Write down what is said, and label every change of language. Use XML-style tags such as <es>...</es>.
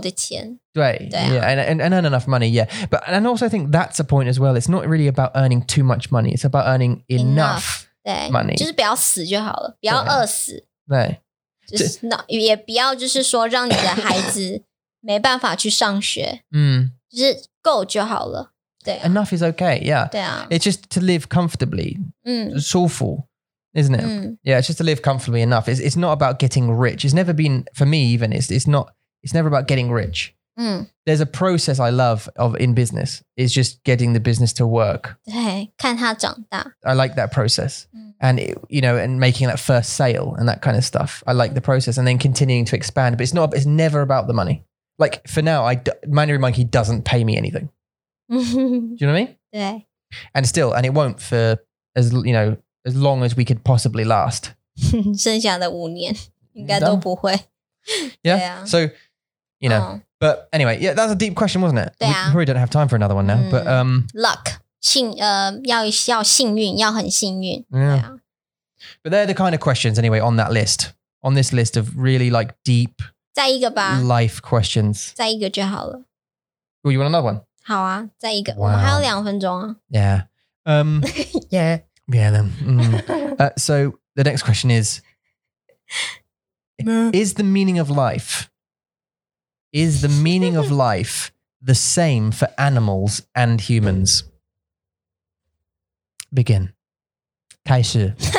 <en>And enough money, yeah. But and also I think that's a point as well. It's not really about earning too much money. It's about earning enough money.</en> <zh>就是不要死就好了,不要餓死。也不要就是說讓你的孩子沒辦法去上學。就是夠就好了。对啊,</zh> <en>enough is okay, yeah.</en> <zh>对啊,</zh> <en>it's just to live comfortably. It's awful, isn't it? Yeah, it's just to live comfortably enough. It's not about getting rich. It's never been, for me even, it's never about getting rich. There's a process I love in business. It's just getting the business to work.</en> <zh>对,</zh> <en>I like that process. And making that first sale and that kind of stuff. I like the process and then continuing to expand. But it's never about the money. Like for now, Mandarin Monkey doesn't pay me anything. Do you know what I mean? Yeah. And it won't for as long as we could possibly last.</en> <zh>剩下的五年应该都不会。</zh> <en>Yeah. So, but anyway, yeah, that's a deep question, wasn't it? Yeah. We probably don't have time for another one now, but</en> <zh>luck. 要幸运，要很幸运。</zh> <en>Yeah. But they're the kind of questions anyway on that list. On this list of really like deep</en> <zh>再一个吧,</zh> <en>life questions.</en> <zh>再一个就好了。</zh> <en>Oh, you want another one?</en> <zh>好啊,再一个,我们还有两分钟啊。</zh> <en>Yeah. Yeah. Yeah, then. So the next question is, is the meaning of life the same for animals and humans?</en> <zh>Begin. 开始.</zh>